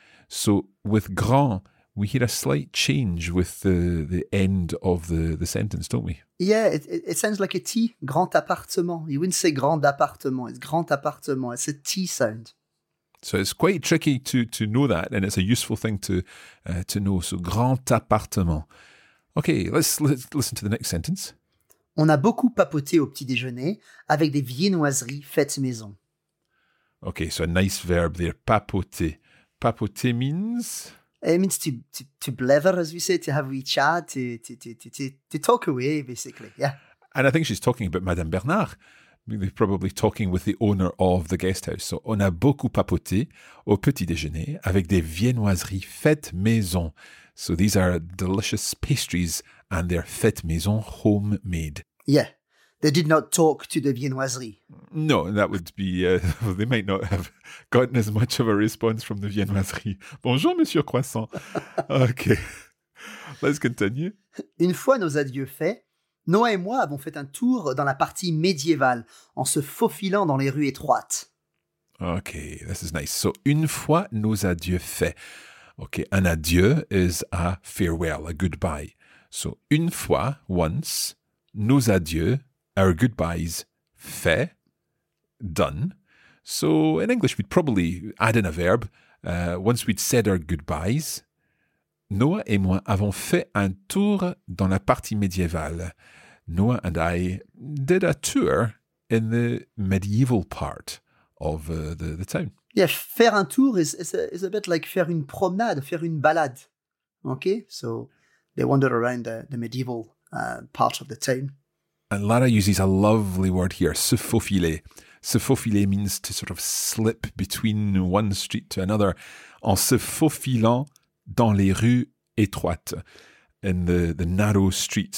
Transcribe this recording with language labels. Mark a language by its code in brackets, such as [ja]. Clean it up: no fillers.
[en] So with grand, we hear a slight change with the end of the sentence, don't we? Yeah, it sounds like a T, [fr] grand appartement. [en] You wouldn't say [fr] grand appartement, [en] it's grand appartement. It's a T sound. So it's quite tricky to know that, and it's a useful thing to know. So [fr] grand appartement. [en] Okay, let's listen to the next sentence. [fr] On a beaucoup papoté au petit déjeuner avec des viennoiseries faites maison. [en] Okay, so a nice verb there, papoter. Papoter means? It means to blether, as we say, to have wee chat, to talk away, basically, yeah. And I think she's talking about Madame Bernard. They're probably talking with the owner of the guest house. So [fr] on a beaucoup papoté au petit déjeuner avec des viennoiseries faites maison. [en] So these are delicious pastries and they're [fr] faites maison, [en] homemade. Yeah, they did not talk to the viennoiserie. No, that would be, they might not have gotten as much of a response from the viennoiserie. [fr] Bonjour, Monsieur Croissant. [en] Okay, let's continue. [fr] Une fois nos adieux faits, Noah et moi avons fait un tour dans la partie médiévale en se faufilant dans les rues étroites. [en] Okay, this is nice. So, [fr] une fois nos adieux faits. [en] Okay, an adieu is a farewell, a goodbye. So, [fr] une fois, [en] once, [fr] nos adieux, [en] our goodbyes, fait, done. So, in English, we'd probably add in a verb. Once we'd said our goodbyes, [fr] Noah et moi avons fait un tour dans la partie médiévale. [en] Noah and I did a tour in the medieval part of the town. Yeah, [fr] faire un tour [en] is a bit like [fr] faire une promenade, faire une balade. [en] Okay, so they wandered around the medieval part of the town. And Lara uses a lovely word here, se faufiler. Se faufiler means to sort of slip between one street to another [fr] en se faufilant dans les rues étroites, [en] in the narrow streets.